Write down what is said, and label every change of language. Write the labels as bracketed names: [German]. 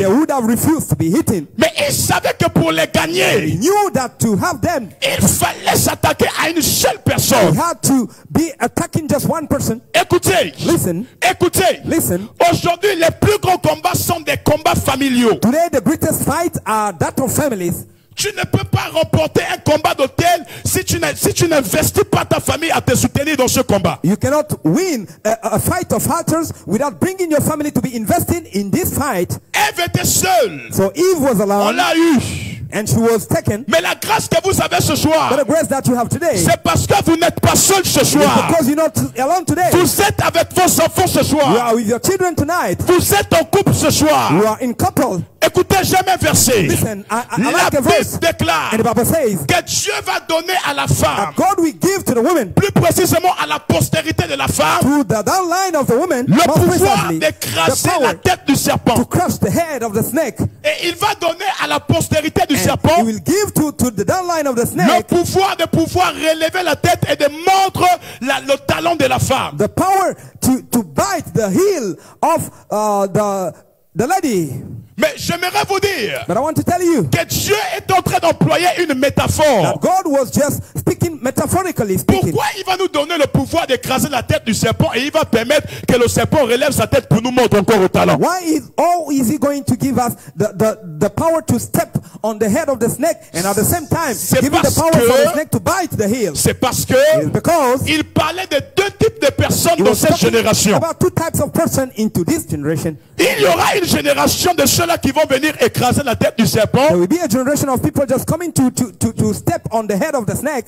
[English] They would have refused to be eaten. [French] Mais ils savaient que pour les gagner, [English] they knew that to have them, [French] il fallait s'attaquer à une seule personne. [English] They had to be attacking just one person. [French] Écoutez, [English] listen, [French] écoutez, [English] listen. [French] Aujourd'hui, les plus grands combats sont des combats familiaux. [English] Today, the greatest fights are that of families. [French] Tu ne peux pas remporter un combat d'hôtel si tu n'investis pas ta famille à te soutenir dans ce combat. [English] You cannot win a fight of hatters without bringing your family to be invested in this fight. [French] Eve était seule. [English] So Eve was alone. [French] On l'a eu. [English] And she was taken. [French] Mais la grâce que vous avez ce soir, [English] but the grace that you have today, [French] c'est parce que vous n'êtes pas seul ce soir. [English] Because you're not alone today. [French] Vous êtes avec vos enfants ce soir. [English] You are with your children tonight. [French] Vous êtes en couple ce soir. [English] You are in couple. [French] Écoutez, j'aime un verset. [English] Listen, I [French] la [English] like a Bible verse, [French] déclare, [English] and the Bible says, [French] que Dieu va donner à la femme, [English] that God will give to the woman, [French] plus précisément à la postérité de la femme, [English] to the downline of the woman, [French] le pouvoir d'écraser la tête du serpent. [English] To crush the head of the snake. [French] Et il va donner à la postérité du serpent, [English] he will give to the downline of the snake, [French] le pouvoir de pouvoir relever la tête et de mordre le talon de la femme. [English] The power to bite the heel of the lady. [French] Mais j'aimerais vous dire, [English] but I want to tell you, [French] que Dieu est en train d'employer une métaphore. [English] That God was just speaking metaphorically speaking. [French] Pourquoi il va nous donner le pouvoir d'écraser la tête du serpent et il va permettre que le serpent relève sa tête pour nous montrer encore au talent? [English] Why is he going to give us the power to step on the head of the snake and at the same time give the power for the snake to bite the heel? [French] C'est parce que il parlait de deux types de personnes dans cette génération. [English] About two types of person into this generation. [French] Il y aura une génération de ceux-là qui vont venir écraser la tête du serpent. [English] There will be a generation of people just coming to step on the head of the snake.